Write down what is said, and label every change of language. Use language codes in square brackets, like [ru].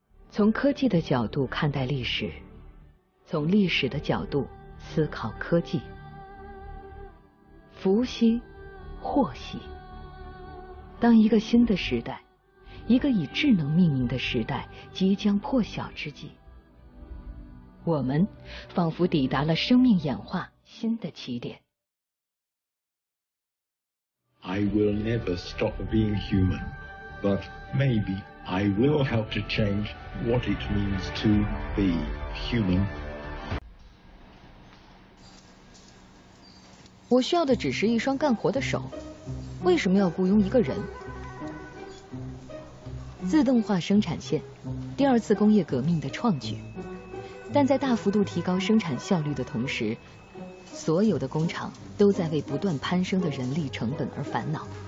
[zh] 从科技的角度看待历史，从历史的角度思考科技，福兮祸兮。当一个新的时代，一个以智能命名的时代即将破晓之际，我们仿佛抵达了生命演化新的起点。 [en] I will never stop being human, but maybe I will help to change what it means to be human. [zh] 我需要的只是一双干活的手，为什么要雇佣一个人？自动化生产线，第二次工业革命的创举。但在大幅度提高生产效率的同时，所有的工厂都在为不断攀升的人力成本而烦恼。